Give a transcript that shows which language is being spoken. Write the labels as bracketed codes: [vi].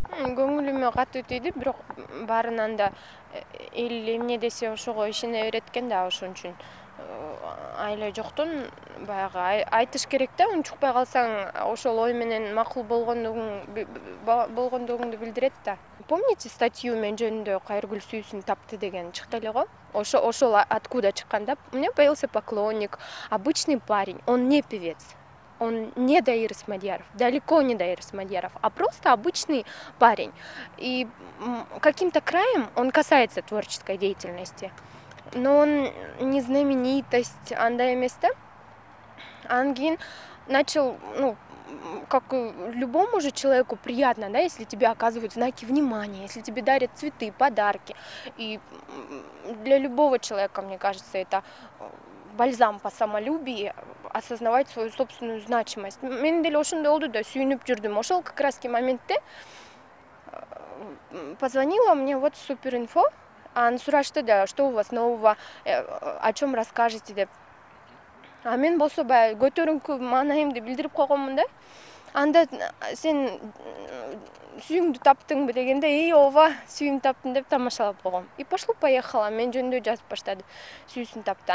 [ky] Көңүлүмө катуу тийди, бирок баарынан да эл эмне десе ошого ишене берет экен да, ошон үчүн айла жоктун баягы айтыш керек да, унчукпай калсаң ошол ой менен макул болгондугуңду билдирет да. [ru] Помните статью [ky] мен жөнүндө Кайыргүл сүйүүсүн тапты деген чыкты эле го? Ошол откуда чыккан да? [ru] У меня появился поклонник, обычный парень, он не певец. Он не Дайыр Исмагяров, далеко не Дайыр Исмагяров, а просто обычный парень. И каким-то краем он касается творческой деятельности. Но он не знаменитость, [ky] андай эмес да? [ru] Ангин начал, ну, как любому же человеку приятно, да, если тебе оказывают знаки внимания, если тебе дарят цветы, подарки. И для любого человека, мне кажется, это бальзам по самолюбию, осознавать свою собственную значимость. [ky] Мен деле ошондой болду да, сүйүнүп жүрдүм. Ошол [ru] как раз ки моментте позвонила мне вот супер инфо. [ky] Анын сурашты да, [ru] что у вас нового, о чем расскажете деп. [ky] А мен болсо баягы көтөрүңкү маанайымды билдирип койгонмун да. Анда сен сүйүңдү таптыңбы дегенде, эй ооба, сүйүмдү таптым деп тамашалап койгом. [ru] И пошло поехало, [ky] мен жөнүндө жазып баштады, сүйүүсүн тапты.